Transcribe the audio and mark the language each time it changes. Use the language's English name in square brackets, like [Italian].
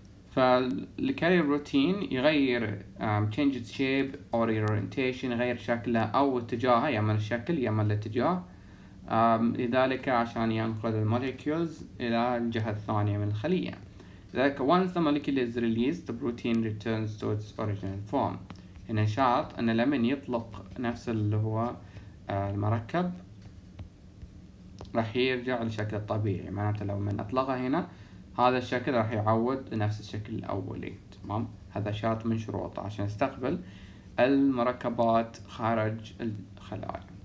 [Arabic] فالكارير بروتين يغير [English] change its shape or orientation، [Arabic] يغير شكله او اتجاهه، يا اما الشكل يا اما الاتجاه، لذلك عشان ينقل المولكيولز الى الجهة الثانية من الخلية. [English] ذلك once the molecule is released the protein returns to its original form. [Arabic] هنا شرط ان لما يطلق نفس اللي هو المركب راح يرجع لشكل الطبيعي، معناته لو من اطلقه هنا هذا الشكل راح يعود نفس الشكل الاولي، تمام. هذا شرط من شروطه عشان يستقبل المركبات خارج الخلايا.